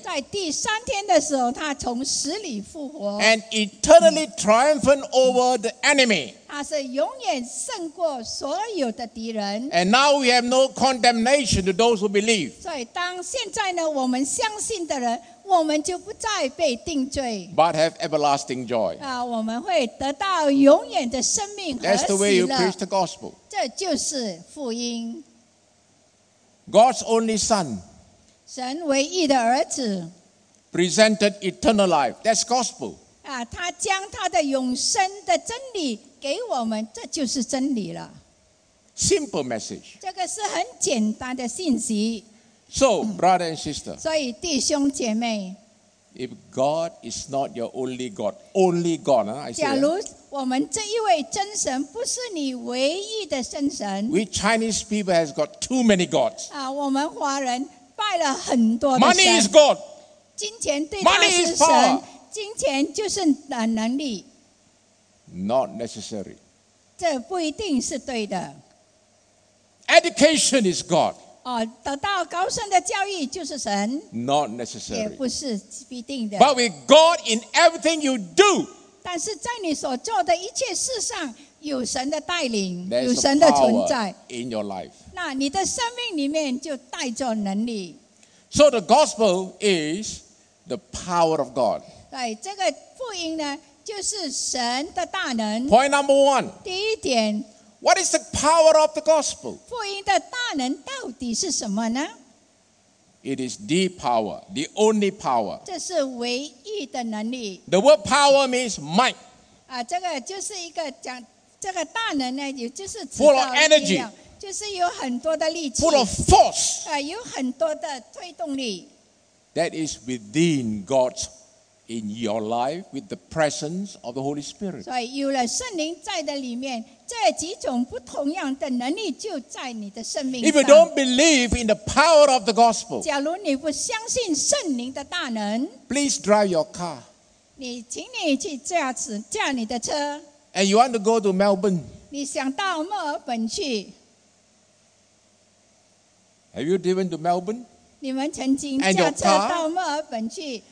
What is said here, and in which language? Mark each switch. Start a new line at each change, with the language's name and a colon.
Chinese: 在第三天的时候，他从死里复活。
English: And eternally triumphant over the enemy.
Chinese: 他是永远胜过所有的敌人。
English: And now we have no condemnation to those who believe.
Chinese: 所以当现在呢，我们相信的人，我们就不再被定罪。
English: But have everlasting joy.
Chinese: 我们会得到永远的生命和喜乐。
English: That's the way you preach the gospel.
Chinese: 这就是福音。
English: God's only Son,
Chinese: 神唯一的儿子
English: presented eternal life. That's gospel.
Chinese: 他将他的永生的真理给我们，这就是真理了。
English: Simple message.
Chinese: 这个是很简单的信息。
English: So, brother and sister,
Chinese: 所以弟兄姐妹
English: if God is not your only God, only God, I say.
Chinese: 假如我们这一位真神不是你唯一的真神。
English: We Chinese people has got too many gods.
Chinese: 我们华人拜了很多的神。
English: Money is God.
Chinese: 金钱对他是神。金钱就是能力。
English: Not necessary.
Chinese: 这不一定是对的。
English: Education is God.
Chinese: 得到高深的教育就是神。
English: Not necessary.
Chinese: 也不是必定的。
English: But with God in everything you do,
Chinese: 但是在你所做的一切事上，有神的带领，有神的存在。
English: In your life.
Chinese: 那你的生命里面就带着能力。
English: So the gospel is the power of God.
Chinese: 对，这个福音呢，就是神的大能。
English: Point number one.
Chinese: 第一点。
English: What is the power of the gospel?
Chinese: 福音的大能到底是什么呢？
English: It is the power, the only power.
Chinese: 这是唯一的能力。
English: The word power means might.
Chinese: 这个就是一个讲这个大能呢，也就是
English: full of energy,
Chinese: 就是有很多的力气。
English: Full of force,
Chinese: 有很多的推动力。
English: That is within God in your life with the presence of the Holy Spirit.
Chinese: 所以有了圣灵在的里面，这几种不同样的能力就在你的生命上。
English: If you don't believe in the power of the gospel,
Chinese: 假如你不相信圣灵的大能，
English: please drive your car.
Chinese: 你请你去驾你的车。
English: And you want to go to Melbourne.
Chinese: 你想到墨尔本去。
English: Have you driven to Melbourne?
Chinese: 你们曾经驾车到墨尔本去。